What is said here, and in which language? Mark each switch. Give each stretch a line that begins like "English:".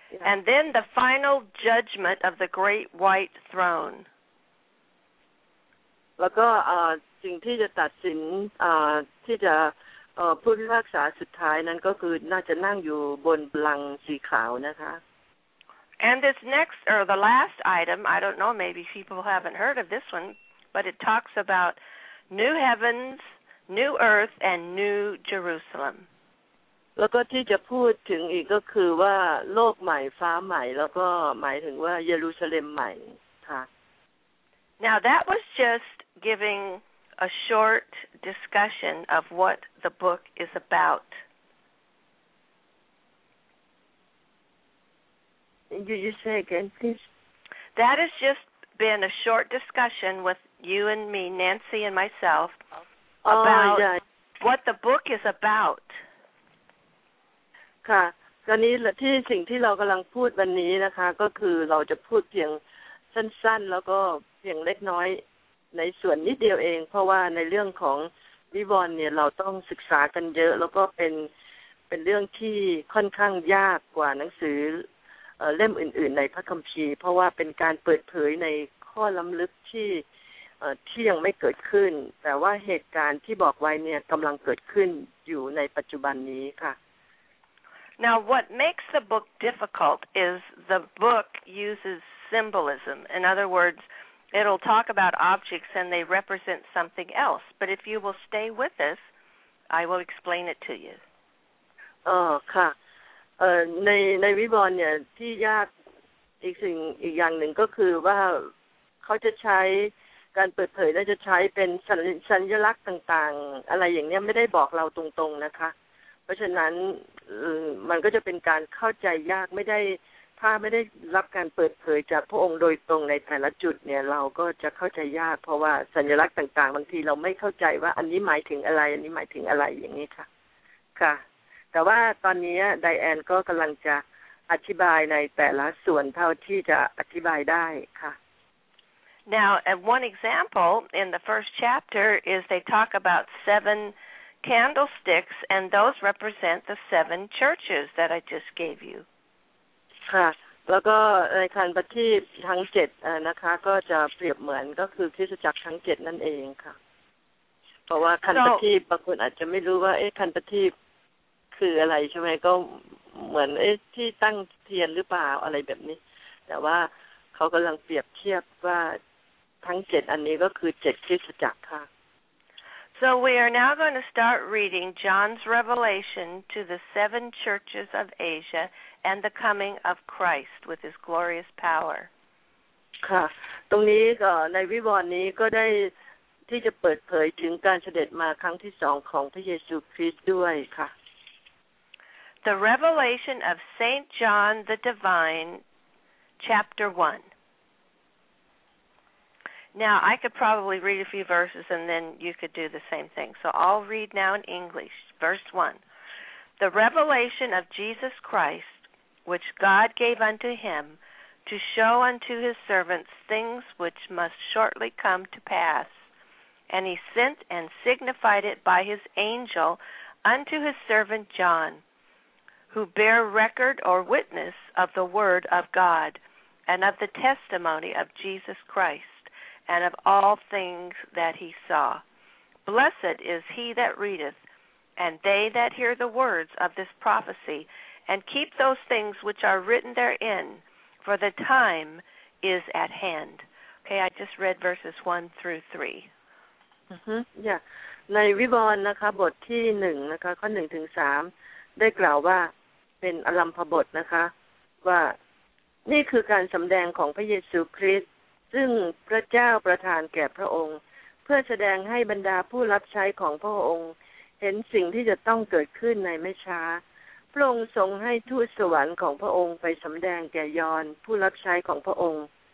English: And then the final judgment of the great white throne.
Thai: แล้วก็สิ่งที่จะตัดสินที่จะผู้พิพากษาสุดท้ายนั้นก็คือน่าจะนั่งอยู่บนบัลลังก์สีขาวนะคะ
English: And this next or the last item I don't know maybe people haven't heard of this one but it talks about new heavens new earth and new Jerusalem
Thai: แล้วก็ที่จะพูดถึงอีกก็คือว่าโลกใหม่ฟ้าใหม่แล้วก็หมายถึงว่าเยรูซาเล็มใหม่ค่ะ
English: Now that was just giving a short discussion of what the book is about. Did you say again, please? That has just been a short discussion with you and me, Nancy and myself, about what the book is about.
Thai: ค่ะ ตอนนี้ที่สิ่งที่เรากำลังพูดวันนี้นะคะก็คือเราจะพูดเพียงสั้นๆแล้วก็เพียงเล็กน้อยในส่วนนิดเดียวเองเพราะว่าในเรื่องของวิวรณ์เนี่ยเราต้องศึกษากันเยอะแล้วก็เป็นเรื่องที่ค่อนข้างยากกว่าหนังสือ เล่มอื่นๆในพระคัมภีร์เพราะว่าเป็นการเปิดเผยในข้อล้ำลึกที่ที่ยังไม่เกิดขึ้นแต่ว่าเหตุการณ์ที่บอกไว้เนี่ยกำลังเกิดขึ้นอยู่ในปัจจุบันนี้ค่ะ
English: Now what makes the book difficult is the book uses symbolism in other wordsIt'll talk about objects and they represent something else. But if you will stay with us, I will explain it to you.
Thai: ค่ะในวิวรณ์เนี่ยที่ยากอีกสิ่งอีกอย่างหนึ่งก็คือว่าเขาจะใช้การเปิดเผยและจะใช้เป็นสัญลักษณ์ต่างๆอะไรอย่างเนี้ยไม่ได้บอกเราตรงๆนะคะเพราะฉะนั้น มันก็จะเป็นการเข้าใจยากถ้าไม่ได้รับการเปิดเผยจากพระองค์โดยตรงในแต่ละจุดเนี่ยเราก็จะเข้าใจยากเพราะว่าสัญลักษณ์ต่างๆบางทีเราไม่เข้าใจว่าอันนี้หมายถึงอะไรอันนี้หมายถึงอะไรอย่างนี้ค่ะแต่ว่าตอนนี้ไดแอนก็กำลังจะอธิบายในแต่ละส่วนเท่าที่จะอธิบายได้ค่ะ
English: Now one example in the first chapter is they talk about seven candlesticks and those represent the seven churches that I just gave you
Thai: ค่ะ แล้วก็ในคันปฏิบัติทั้ง7นะคะก็จะเปรียบเหมือนก็คือคริสตจักรทั้ง7นั่นเองค่ะเพราะว่าคันปฏิบัติบางคนอาจจะไม่รู้ว่าเอ๊ะคันปฏิบัติคืออะไรใช่มั้ยก็เหมือนเอ๊ะที่ตั้งเทียนหรือเปล่าอะไรแบบนี้แต่ว่าเขากำลังเปรียบเทียบว่าทั้ง7อันนี้ก็คือ7คริสตจักรค่ะ
English: So we are now going to start reading John's revelation to the 7 churches of Asia and the coming of Christ with his glorious power.
Thai: ค่ะตรงนี้ก็ในวิวรณ์นี้ก็ได้ที่จะเปิดเผยถึงการเสด็จมาครั้งที่2ของพระเยซูคริสต์ด้วยค่ะ
English: The revelation of Saint John the Divine chapter 1Now, I could probably read a few verses and then you could do the same thing. So I'll read now in English. Verse 1. The revelation of Jesus Christ, which God gave unto him to show unto his servants things which must shortly come to pass. And he sent and signified it by his angel unto his servant John, who bare record or witness of the word of God and of the testimony of Jesus Christ. And of all things that he saw. Blessed is he that readeth, and they that hear the words of this prophecy, and keep those things which are written therein, for the time is at hand. Okay, I just read verses 1 through 3. Yeah.
Thai: ในวิวรณ์นะคะบทที่1นะคะข้อ1ถึง3ได้กล่าวว่าเป็นอลัมพบทนะคะว่านี่คือการสำแดงของพระเยซูคริสต์ซึ่งพระเจ้าประทานแก่พระองค์เพื่อแสดงให้บรรดาผู้รับใช้ของพระองค์เห็นสิ่งที่จะต้องเกิดขึ้นในไม่ช้าพระองค์ทรงให้ทูตสวรรค์ของพระองค์ไปสำแดงแก่ยอนผู้รับใช้ของพระองค์